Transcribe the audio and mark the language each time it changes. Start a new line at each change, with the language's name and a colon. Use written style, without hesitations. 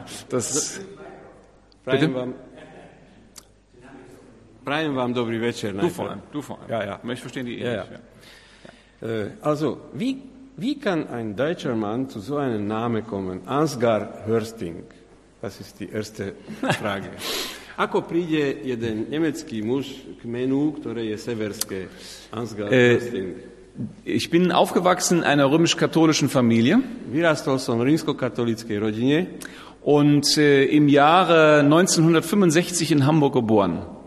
German: Ja. Das
Slovak: Prajem vám dobrý večer.
German: Du vor allem. Ja, ja. Möchtest verstehen die Englisch. Ja, ja. Ja. Also, wie kann ein deutscher Mann zu so einem Namen kommen? Ansgar Hörsting. Das ist die erste Frage.
Slovak: Ako príde jeden nemecký muž k menu, ktoré je severské?
German: Ansgar Hörsting. Ich bin aufgewachsen in einer römisch-katholischen Familie.
Slovak: Vyrastol som v rímsko-katolíckej rodine.
German: Und im Jahre 1965 in Hamburg geboren.